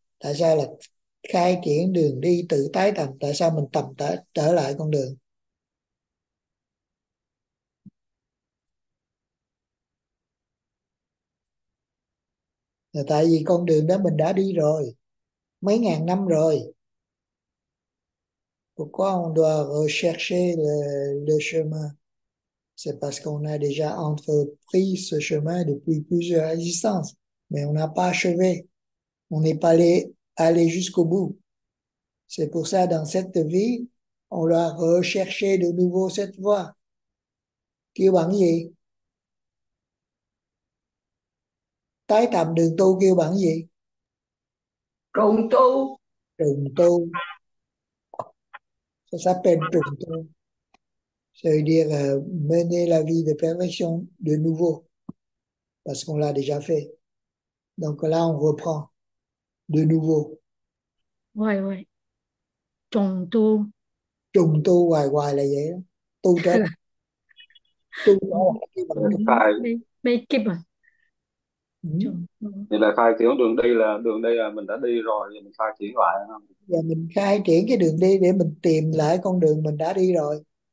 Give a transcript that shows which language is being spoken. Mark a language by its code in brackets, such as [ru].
[vi] Tại sao là khai triển đường đi tự tái tầm? Tại sao mình tầm trở lại con đường? Là tại vì con đường đó mình đã đi rồi. Mấy ngàn năm rồi. [fr] Pourquoi on doit rechercher le chemin? C'est parce qu'on a déjà entrepris ce chemin depuis plusieurs existences, mais on n'a pas achevé. On n'est pas allé jusqu'au bout. C'est pour ça, dans cette vie, on doit rechercher de nouveau cette voie. [vi] Kêu bằng gì? Tái tầm đường tu kêu bằng gì? Trùng tu. Trùng tu. [fr] Ça s'appelle trùng tu. Ça veut dire mener la vie de perfection de nouveau. Parce qu'on l'a déjà fait. Donc là, on reprend de nouveau. [vi] Ouais. Trùng tu. Trùng tu hoài hoài là vậy đó. Tu trở lại. Tu trở lại kêu bằng trùng tu. Mấy kịp à? Ừ. Trùng tu. Thì là khai triển đường đi, là đường đi là mình đã đi rồi thì mình khai triển lại không? Và mình khai triển cái đường đi để mình tìm lại con đường mình đã đi rồi.